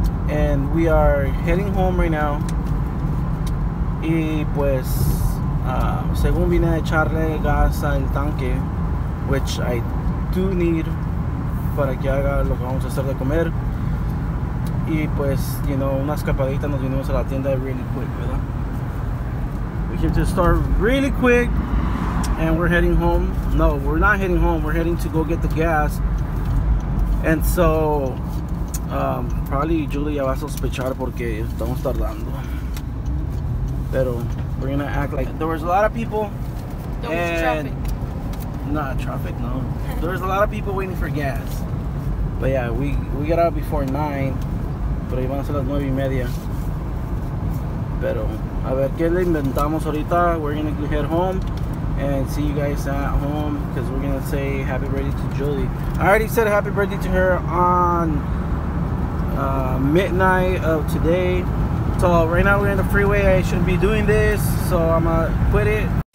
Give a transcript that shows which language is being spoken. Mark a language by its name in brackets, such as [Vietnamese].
[English] And we are heading home right now. [Spanish] Y pues, según vine a echarle gas al tanque, [English] which I do need [Spanish] para que haga lo que vamos a hacer de comer. Y pues, [English] you know, [Spanish] una escapadita nos vinimos a la tienda [English] really quick, [Spanish] ¿verdad? [English] We came to the store really quick and we're heading home. No, we're not heading home. We're heading to go get the gas. And so, probably Julia [Spanish] va a sospechar porque estamos tardando. Pero [English] we're gonna act like there was a lot of people. There was traffic. There was a lot of people waiting for gas. But yeah, we got out before 9. [Spanish] Pero iban a ser las 9:30. Pero a ver qué le inventamos ahorita. [English] We're gonna head home and see you guys at home because we're gonna say happy birthday to Julie. I already said happy birthday to her on midnight of today. So right now we're in the freeway. I shouldn't be doing this, so I'm gonna quit it.